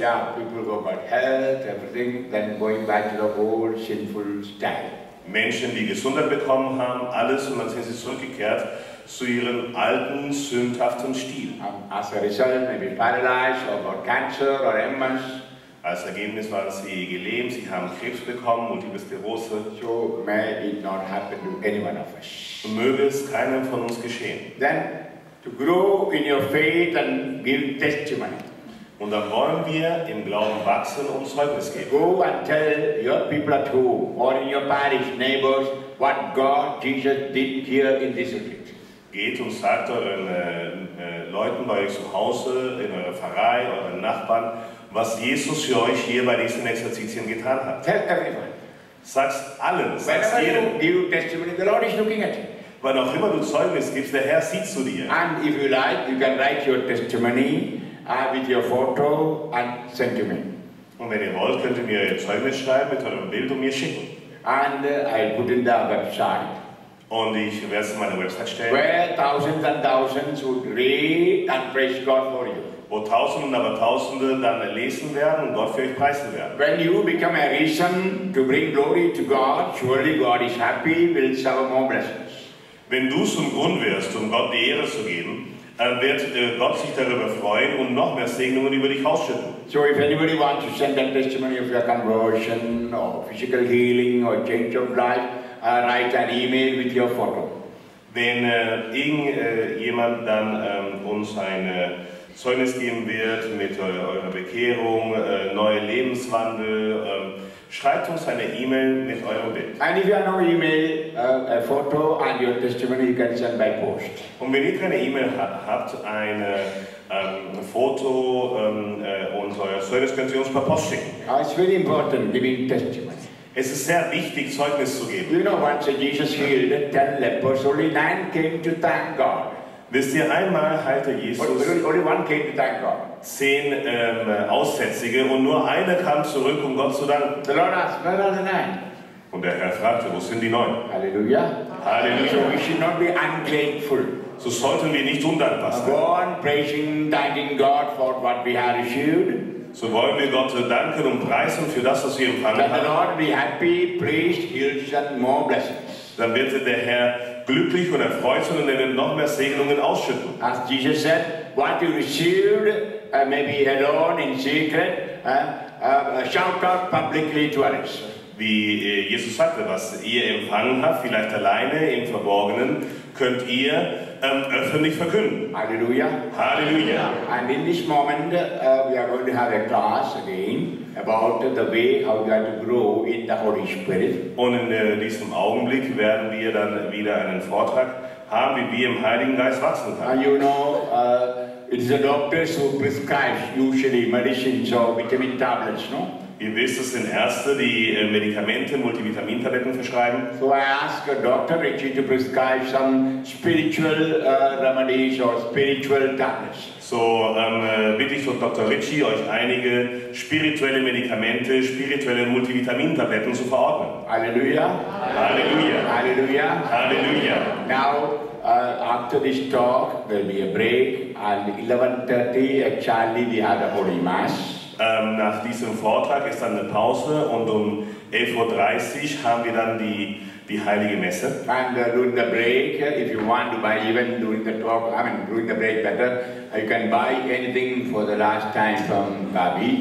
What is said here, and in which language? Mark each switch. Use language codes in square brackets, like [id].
[en] Ja, yeah, people go about health, everything, then going back to the old sinful style. [de] Menschen, die Gesundheit bekommen haben, alles, und dann sind sie zurückgekehrt zu ihrem alten, sündhaften Stil. [en] As a result, maybe paralyzed, or got cancer, or MS. [de] Als Ergebnis waren sie gelähmt, sie haben Krebs bekommen, Multiple Sklerose. [en] So may it not happen to anyone of us. [de] Und möge es keinem von uns geschehen. [en] Then, to grow in your faith and give testimony. [de] Und dann wollen wir im Glauben wachsen und Zeugnis geben. [en] Go and tell your people at home or in your parish neighbors what God Jesus did here in this retreat. [de] Geht und sagt euren Leuten bei euch zu Hause, in eurer Pfarrei, euren Nachbarn, was Jesus für euch hier bei diesen Exerzitien getan hat. [en] Tell everyone. [de] Sag's allen. Sag's jedem. [en] Give you testimony. The Lord is looking at you. [de] Wann auch immer du Zeugnis gibst, der Herr sieht zu dir. [en] And if you like, you can write your testimony with your photo and send to me. [de] Und wenn ihr wollt, könnt ihr mir euer Zeugnis schreiben mit eurem Bild und mir schicken. [en] And I put in the website. [de] Und ich werde es in meine Website stellen. [en] Where thousands and thousands would read and praise God for you. [de] Wo Tausende und Abertausende dann lesen werden und Gott für euch preisen werden. [en] When you become a reason to bring glory to God, surely God is happy, will shower more blessings. [de] Wenn du zum Grund wirst, um Gott die Ehre zu geben, dann wird Gott sich darüber freuen und noch mehr Segnungen über dich ausschütten. [en] So if anybody wants to send a testimony of your conversion or physical healing or change of life, write an email with your photo. [de] Wenn irgendjemand dann uns ein Zeugnis geben wird mit eurer Bekehrung, neuer Lebenswandel, schreibt uns eine E-Mail mit eurem Bild. [en] And if you have no E-Mail, a photo and your testimony, you can send by post. [de] Und wenn ihr keine E-Mail habt, ein Foto und euer Zeugnis, könnt ihr uns per Post schicken. [en] It's very important giving testimony. [de] Es ist sehr wichtig, Zeugnis zu geben. [en] You know, once Jesus healed 10 lepers, only 9 came to thank God. [de] Wisst ihr, einmal heilte Jesus [en] only one came to thank God. [de] 10 Aussätzige und nur einer kam zurück, um Gott zu danken. [en] The Lord asked, where are the 9? [de] Und der Herr fragte, wo sind die 9? [en] Halleluja. [de] Halleluja. [en] So we should not be ungrateful. [de] So sollten wir nicht undankbar sein. [en] Go on praising, thanking God for what we have received. [de] So wollen wir Gott danken und preisen für das, was wir empfangen haben. [en] Let the Lord be happy, pleased, healed, and more blessings. [de] Dann wird der Herr glücklich und erfreut sein und er wird noch mehr Segnungen ausschütten. [en] As Jesus said, what you received, maybe alone in secret, shout out publicly to others. [de] Wie Jesus sagte, was ihr empfangen habt, vielleicht alleine im Verborgenen, könnt ihr öffentlich verkünden. [en] Halleluja. [de] Halleluja. [en] And in this moment, we are going to have a class again about the way how we are to grow in the Holy Spirit. [de] Und in diesem Augenblick werden wir dann wieder einen Vortrag haben, wie wir im Heiligen Geist wachsen können. [en] And you know, it is the doctors who prescribe usually medicines or vitamin tablets, no? [de] Ihr wisst, es sind Ärzte, die Medikamente, Multivitamintabletten verschreiben. [en] So I ask Dr. Richie to prescribe some spiritual remedies or spiritual tablets. [de] So bitte ich von Dr. Richie, euch einige spirituelle Medikamente, spirituelle Multivitamintabletten zu verordnen. [en] Halleluja. [de] Halleluja. [en] Halleluja. [de] Halleluja. [en] Now, after this talk, there will be a break, and 11:30, actually, we have a holy mass. [de] Nach diesem Vortrag ist dann eine Pause und um 11:30 haben wir dann die heilige Messe. [en] And during the break, if you want to buy, even during the talk, I mean during the break better, you can buy anything for the last time from Babi.